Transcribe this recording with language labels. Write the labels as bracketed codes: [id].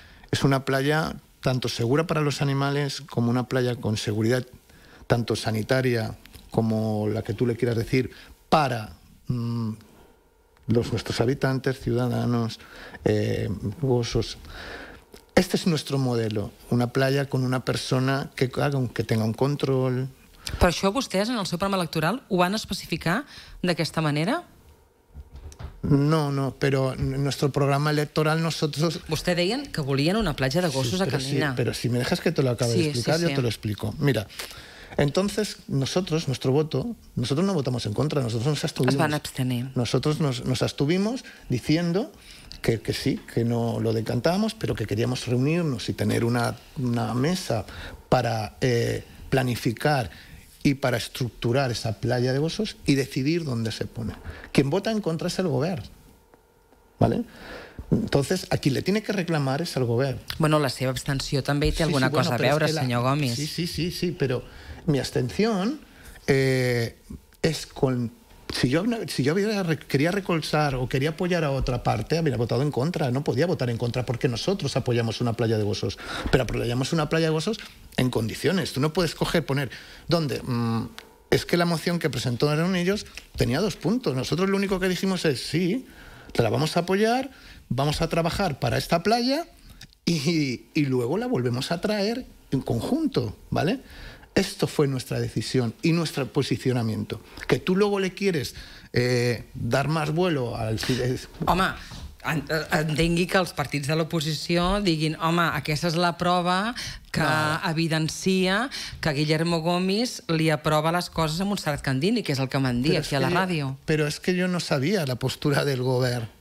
[es] Es una playa tanto segura para los animales como una playa con seguridad tanto sanitaria como la que tú le quieras decir para nuestros habitantes, ciudadanos, gozos. Este es nuestro modelo, una playa con una persona que tenga un control. [ca] Però això vostès en el seu programa electoral ho van especificar d'aquesta manera? [es] No, pero nuestro programa electoral nosotros... [ca] Vostè deien que volien una platja de gossos a Canina. [es] Sí, pero si me dejas que te lo acabe de explicar, yo te lo explico. Mira, entonces nosotros, nuestro voto, nosotros no votamos en contra, nosotros nos abstuvimos. [ca] Es van abstener. [es] Nosotros nos abstuvimos diciendo que sí, que no lo decantábamos, pero que queríamos reunirnos y tener una mesa para planificar y para estructurar esa playa de Bosos y decidir dónde se pone. Quien vota en contra es el gobierno, ¿vale? Entonces, a qui le tiene que reclamar es el govern. [ca] Bueno, la seva abstenció també hi té alguna cosa a veure, senyor Gomis. Sí, però [es] mi [ca] abstenció és con... [es] Si yo quería recolzar o quería apoyar a otra parte, habría votado en contra. No podía votar en contra porque nosotros apoyamos una playa de Bosos. Pero apoyamos una playa de Bosos en condiciones. Tú no puedes coger, poner... ¿Dónde? Es que la moción que presentaron ellos tenía dos puntos. Nosotros lo único que dijimos es, sí, te la vamos a apoyar, vamos a trabajar para esta playa y luego la volvemos a traer en conjunto, ¿vale? Esto fue nuestra decisión y nuestro posicionamiento. Que tú luego le quieres dar más vuelo al... [ca] Home, entengui que els partits de l'oposició diguin, home, aquesta és la prova que evidencia que Guillermo Gomis li aprova les coses a Montserrat Candini, que és el que m'han dit aquí a la ràdio. Però és que jo no sabia la postura del govern.